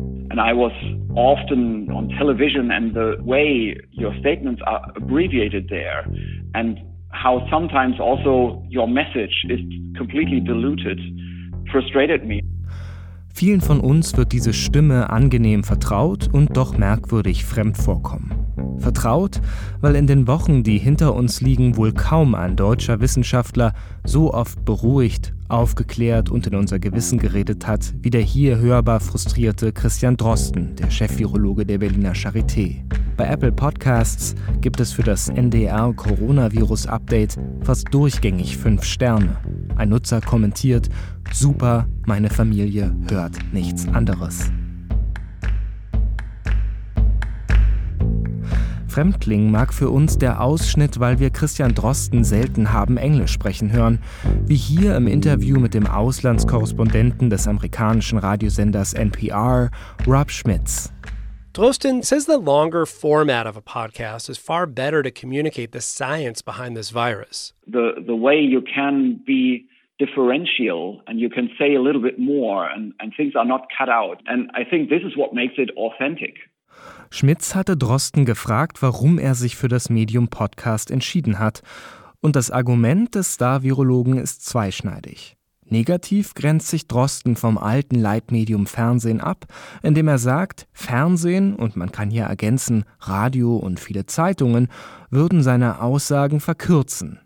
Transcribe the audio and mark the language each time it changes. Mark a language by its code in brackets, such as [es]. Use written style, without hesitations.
[en] And I was often on television, and the way your statements are abbreviated there, and how sometimes also your message is completely diluted, frustrated me. [de] Vielen von uns wird diese Stimme angenehm vertraut und doch merkwürdig fremd vorkommen. Vertraut, weil in den Wochen, die hinter uns liegen, wohl kaum ein deutscher Wissenschaftler so oft beruhigt, aufgeklärt und in unser Gewissen geredet hat, wie der hier hörbar frustrierte Christian Drosten, der Chefvirologe der Berliner Charité. Bei Apple Podcasts gibt es für das NDR Coronavirus Update fast durchgängig 5 Sterne. Ein Nutzer kommentiert: Super, meine Familie hört nichts anderes. Fremdling mag für uns der Ausschnitt, weil wir Christian Drosten selten haben Englisch sprechen hören, wie hier im Interview mit dem Auslandskorrespondenten des amerikanischen Radiosenders NPR, Rob Schmitz. [en] Drosten says the longer format of a podcast is far better to communicate the science behind this virus. The way you can be differential and you can say a little bit more and things are not cut out. And I think this is what makes it authentic. [de] Schmitz hatte Drosten gefragt, warum er sich für das Medium Podcast entschieden hat. Und das Argument des Star-Virologen ist zweischneidig. Negativ grenzt sich Drosten vom alten Leitmedium Fernsehen ab, indem er sagt, Fernsehen, und man kann hier ergänzen, Radio und viele Zeitungen, würden seine Aussagen verkürzen.